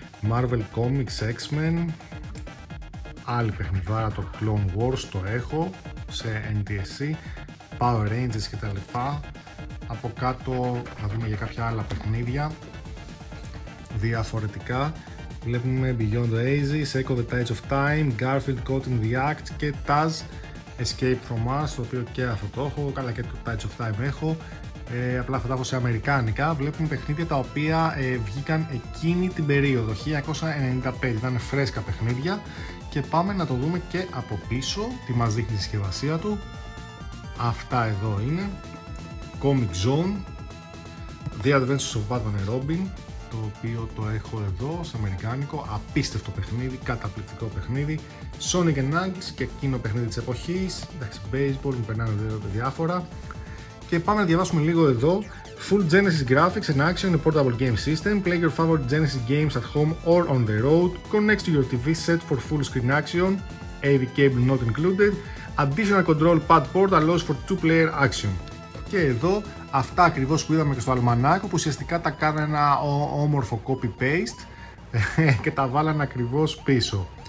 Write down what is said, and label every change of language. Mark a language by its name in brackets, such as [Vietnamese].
[Greek] Marvel Comics, X-Men. Άλλη παιχνιδάρα, το Clone Wars, το έχω σε NTSC. Power Rangers και τα λοιπά. Από κάτω θα δούμε για κάποια άλλα παιχνίδια διαφορετικά. Βλέπουμε Beyond the Ages, Echo the Tides of Time, Garfield Caught in the Act και Taz Escape from Mars, το οποίο και αυτό το έχω, καλά και το Tides of Time έχω. Απλά θα τα έχω σε αμερικάνικα. Βλέπουμε παιχνίδια τα οποία βγήκαν εκείνη την περίοδο, 1995, ήταν φρέσκα παιχνίδια. Και πάμε να το δούμε και από πίσω, τι μας δείχνει η συσκευασία του. Αυτά εδώ είναι. Comic Zone, The Adventures of Batman and Robin, το οποίο το έχω εδώ σε αμερικάνικο, απίστευτο παιχνίδι, καταπληκτικό παιχνίδι. Sonic & Knuckles και εκείνο παιχνίδι της εποχής, εντάξει, baseball, μου περνάνε διάφορα. Και πάμε να διαβάσουμε λίγο εδώ. [English] Full Genesis Graphics and Action, a portable game system. Play your favorite Genesis games at home or on the road. Connect to your TV set for full screen action. AV cable not included. Additional control pad port allows for two player action. [Greek] Και εδώ αυτά ακριβώς που είδαμε και στο αλμανάκο, που ουσιαστικά τα κάνανε ένα όμορφο copy-paste και τα βάλανε ακριβώς πίσω.